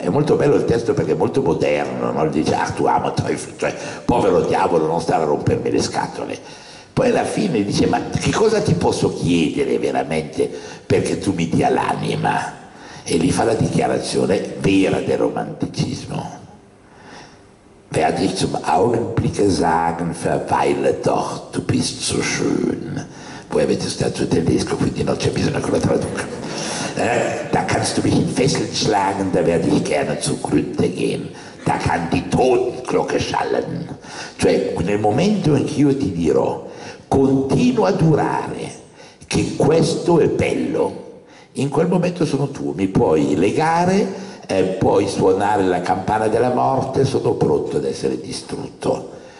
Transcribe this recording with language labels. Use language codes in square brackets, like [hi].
[it] È molto bello il testo perché è molto moderno, no? Dice, ah tu amo, cioè, povero diavolo, non stare a rompermi le scatole. Poi alla fine dice, ma che cosa ti posso chiedere veramente perché tu mi dia l'anima? E lì fa la dichiarazione vera del romanticismo. [de] Wer dich zum Augenblick sagen, verweile doch, du bist so schön. [it] Voi avete studiato tedesco, quindi non c'è bisogno che lo traduca. [de] Da kannst du mich in Fesseln schlagen, da werde ich gerne zugrunde gehen. Da kann die Totenglocke schallen. [it] Cioè, nel momento in cui io ti dirò, continua a durare, che questo è bello, in quel momento sono tuo, mi puoi legare. E poi suonare la campana della morte, sono pronto ad essere distrutto.